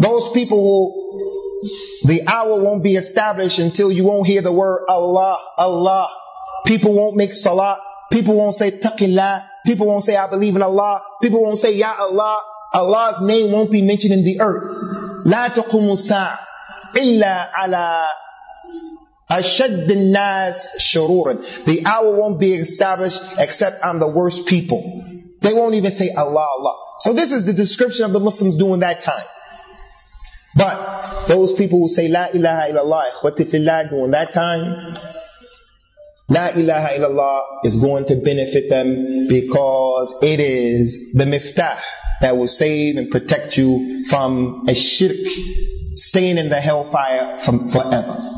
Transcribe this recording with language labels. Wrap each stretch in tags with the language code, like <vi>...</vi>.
<en>Those people who, the hour won't be established until you won't hear the word Allah, Allah. People won't make Salah. People won't say Taqillah. People won't say I believe in Allah. People won't say Ya Allah. Allah's name won't be mentioned in the earth.</en> <ar>La taqumu sa'a إِلَّا عَلَىٰ أَشَدِّ النَّاسِ شُرُورًا.</ar> <en>The hour won't be established except on the worst people. They won't even say Allah, Allah. So this is the description of the Muslims during that time. But those people who say La ilaha illallah</en> <ar>إِخْوَةِ فِي اللَّهِ</ar> <en>during that time, La ilaha illallah is going to benefit them because it is the miftah that will save and protect you from a shirk, staying in the hellfire from forever.</en>